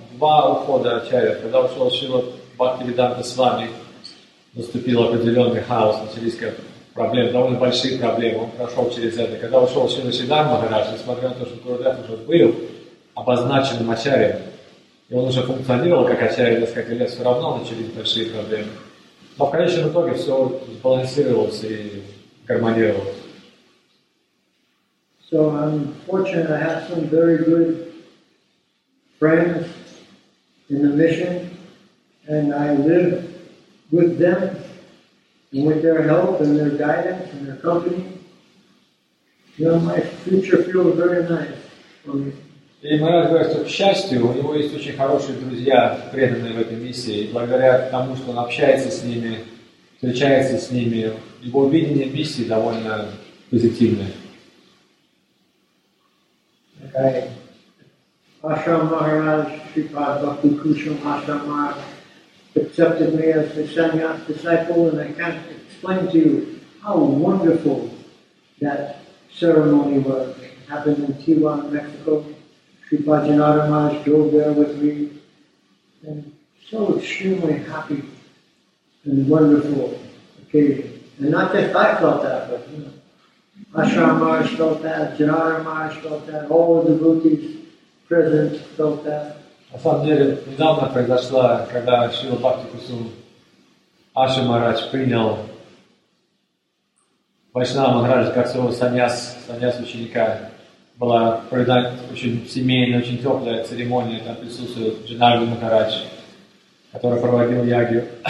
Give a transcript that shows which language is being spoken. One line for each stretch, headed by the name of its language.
Russian: Два ухода Ачарьев, когда ушел Шрила Бхактивиданта с вами, наступил определенный хаос, начались проблемы, довольно большие проблемы, он прошел через это. Когда ушел Шрила Шридхар Махарадж, несмотря на то, что Гурудев уже был обозначенным Ачарьем, и он уже функционировал как Ачарья несколько лет, все равно начались большие проблемы. Но в конечном итоге все сбалансировалось и гармонировалось.
English: So I'm fortunate, I have some very good friends in the mission, and I live with them and with their help and their guidance and their company. You know, my future feels very nice for me.
Russian: И Майя говорит, что, к счастью, у него есть очень хорошие друзья, преданные в этой миссии, и благодаря тому, что он общается с ними, встречается с ними, его видение миссии довольно позитивное.
English: Okay. Ashram Maharaj, Shripad Bhakti Kusum Ashram Maharaj accepted me as his sannyas disciple, and I can't explain to you how wonderful that ceremony was. It happened in Tijuana, Mexico. Shripad Janata Maharaj drove there with me, and so extremely happy and wonderful occasion. And not just I felt that, but you know, Ashram Maharaj felt that, Janata Maharaj felt that, all of the devotees.
Russian: На самом деле, недавно произошло, когда Шрила Бхакти Кусум Ашрам Махарадж принял Вайшнава Махараджа как своего саньяс ученика. Была проведена очень семейная, очень теплая церемония, там присутствует Джанарда Махарадж, который проводил ягью.